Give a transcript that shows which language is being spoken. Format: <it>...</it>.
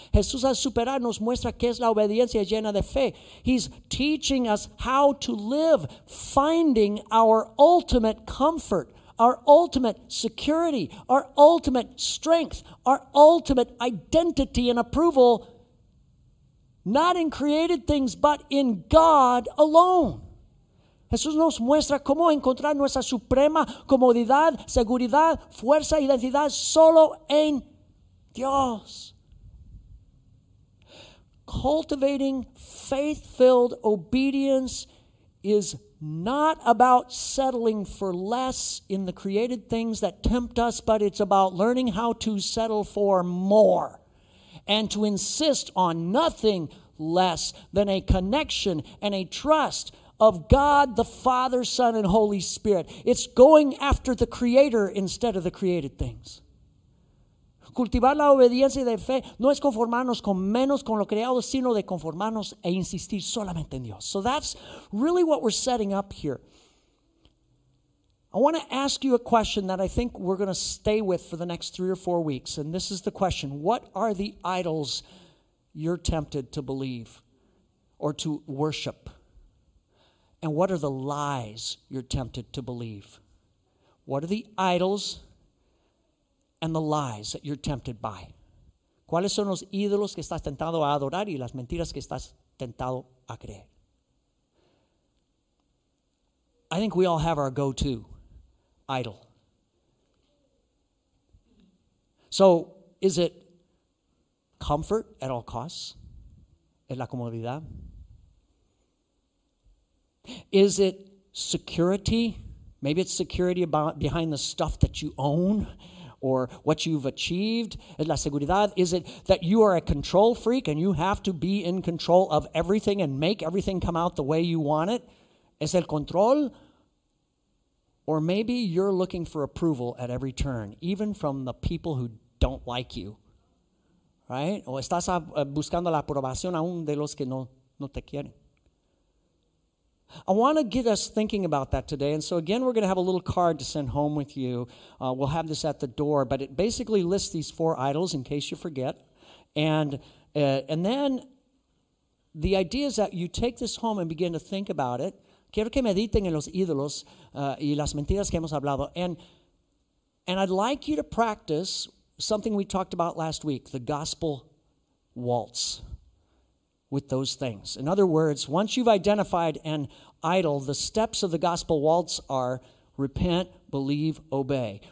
<es>Jesús al superar nos muestra que es la obediencia llena de fe.</es> <en>He's teaching us how to live, finding our ultimate comfort, our ultimate security, our ultimate strength, our ultimate identity and approval, not in created things, but in God alone.</en> <es>Jesús nos muestra cómo encontrar nuestra suprema comodidad, seguridad, fuerza, identidad solo en Dios.</es> <en>Cultivating faith-filled obedience is not about settling for less in the created things that tempt us, but it's about learning how to settle for more and to insist on nothing less than a connection and a trust of God, the Father, Son, and Holy Spirit. It's going after the Creator instead of the created things.</en> <es>Cultivar la obediencia de fe no es conformarnos con menos con lo creado, sino de conformarnos e insistir solamente en Dios.</es> <en>So that's really what we're setting up here. I want to ask you a question that I think we're going to stay with for the next 3 or 4 weeks. And this is the question: what are the idols you're tempted to believe or to worship? And what are the lies you're tempted to believe? What are the idols and the lies that you're tempted by?</en> <es>¿Cuáles son los ídolos que estás tentado a adorar y las mentiras que estás tentado a creer?</es> <en>I think we all have our go-to idol. So, is it comfort at all costs?</en> <es>¿Es la comodidad?</es> <en>Is it security? Maybe it's security about behind the stuff that you own or what you've achieved.</en> <es>¿Es la seguridad?</es> <en>Is it that you are a control freak and you have to be in control of everything and make everything come out the way you want it?</en> <es>¿Es el control?</es> <en>Or maybe you're looking for approval at every turn, even from the people who don't like you, right?</en> <es>¿O estás buscando la aprobación aún de los que no te quieren?</es> <en>I want to get us thinking about that today. And so again, we're going to have a little card to send home with you. We'll have this at the door, but it basically lists these four idols in case you forget. And then the idea is that you take this home and begin to think about it.</en> <es>Quiero que mediten en los ídolos y las mentiras que hemos hablado.</es> <en>And I'd like you to practice something we talked about last week, the gospel waltz. With those things. In other words, once you've identified an idol, the steps of the gospel waltz are repent, believe, obey.</en>